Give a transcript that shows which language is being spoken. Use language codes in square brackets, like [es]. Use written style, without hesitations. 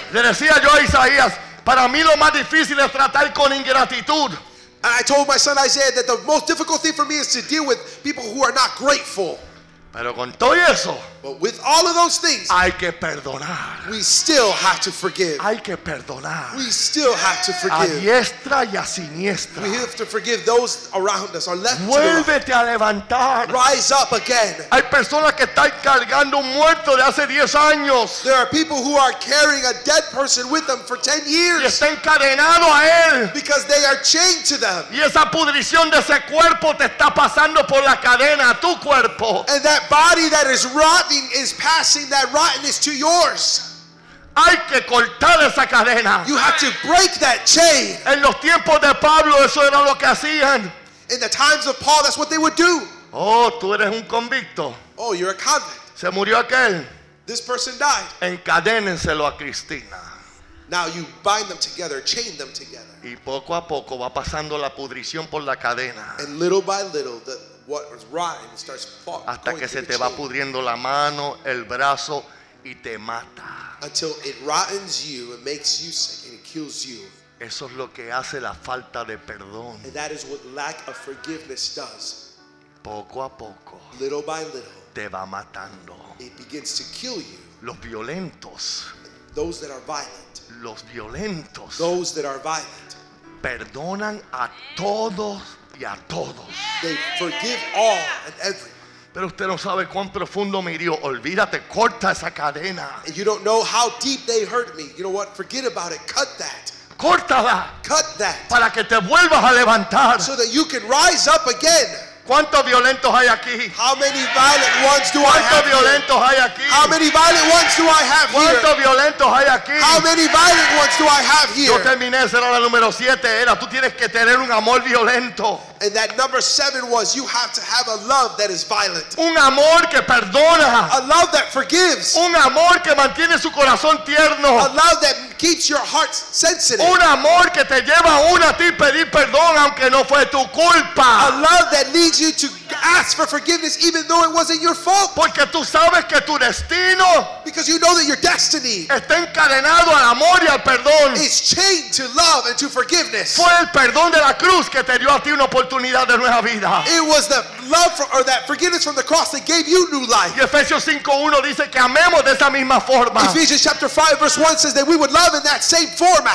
[es] Le decía yo a Isaías, para mí lo más difícil es tratar con ingratitud. [en] And I told my son Isaiah that the most difficult thing for me is to deal with people who are not grateful. [es] Pero con todo eso, [en] but with all of those things, [es] hay que perdonar. [en] We still have to forgive. [es] Hay que perdonar. [en] We still have to forgive. [es] A diestra y a siniestra. [en] We have to forgive those around us, our left. [es] Vuélvete a levantar. [en] Rise up again. [es] Hay personas que están cargando un muerto de hace 10 años. [en] There are people who are carrying a dead person with them for 10 years. [es] Y está encadenado a él. [en] Because they are chained to them. [es] Y esa pudrición de ese cuerpo te está pasando por la cadena a tu cuerpo. [en] And that body that is rotting is passing that rottenness to yours. [es] Hay que cortar esa cadena. [en] You have to break that chain. [es] En los tiempos de Pablo, eso era lo que hacían. [en] In the times of Paul, that's what they would do. [es] Oh, tú eres un convicto. [en] Oh, you're a convict. [es] Se murió aquel. [en] This person died. [es] Encadénenselo a Cristina. [en] Now you bind them together, chain them together. [es] Y poco a poco va pasando la pudrición por la cadena. [en] And little by little, the what was rotten starts falling. [es] Hasta que se te va pudriendo la mano, el brazo y te mata. [en] Until it rottens you, it makes you sick and it kills you. [es] Eso es lo que hace la falta de perdón. [en] And that is what lack of forgiveness does. [es] Poco a poco. [en] Little by little. [es] Te va matando. [en] It begins to kill you. [es] Los violentos. [en] Those that are violent. [es] Los violentos. [en] Those that are violent. [es] Perdonan a todos. Y a todos. [en] They forgive all and every. [es] Pero usted no sabe cuán profundo me hirió. Olvídate, corta esa cadena. [en] And you don't know how deep they hurt me. You know what? Forget about it. Cut that. [es] Córtala. [en] Cut that. [es] Para que te vuelvas a levantar. [en] So that you can rise up again. [es] ¿Cuántos violentos hay aquí? [en] How many violent ones do I have? [es] ¿Cuántos violentos hay aquí? [en] How many violent ones do I have here? [es] ¿Cuántos violentos hay aquí? [en] How many violent ones do I have here? [es] Yo terminé, esa era la número 7, era tú tienes que tener un amor violento. [en] And that number 7 was you have to have a love that is violent. [es] Un amor que perdona. [en] A love that forgives. [es] Un amor que mantiene su corazón tierno. [en] A love that keeps your heart sensitive. [es] Un amor que te lleva aún a ti pedir perdón aunque no fue tu culpa. [en] A love that leads you to ask for forgiveness even though it wasn't your fault. [es] Porque tú sabes que tu destino, [en] because you know that your destiny, [es] está encadenado al amor y al perdón. [en] Is chained to love and to forgiveness. [es] Fue el perdón de la cruz que te dio a ti una oportunidad de nueva vida. [en] It was the love for, or that forgiveness from the cross that gave you new life. [es] Y Efesios 5:1 dice que amemos de esa misma forma. [en] Ephesians chapter 5 verse 1 says that we would love in that same format.